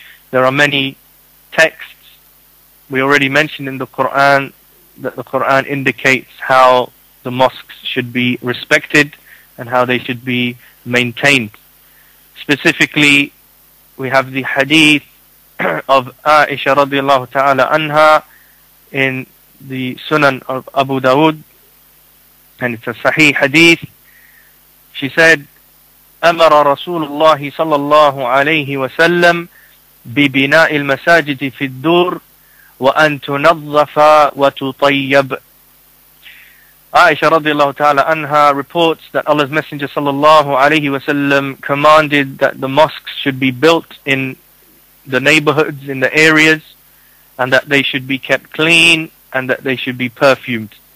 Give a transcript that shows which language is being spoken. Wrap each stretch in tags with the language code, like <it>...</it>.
<en>There are many texts. We already mentioned in the Quran that the Quran indicates how the mosques should be respected and how they should be maintained. Specifically, we have the hadith of Aisha radiallahu ta'ala anha in the Sunan of Abu Dawud, and it's a sahih hadith. She said,</en> <ar>أَمَرَ رَسُولُ اللَّهِ صَلَّى اللَّهُ عَلَيْهِ وَسَلَّمْ بِبِنَاءِ الْمَسَاجِدِ فِي الدُّورِ وَأَن تُنَظَّفَ وَتُطَيَّبَ.</ar> <en>Aisha radiallahu ta'ala anha reports that Allah's Messenger sallallahu alayhi wa sallam commanded that the mosques should be built in the neighborhoods, in the areas, and that they should be kept clean and that they should be perfumed.</en>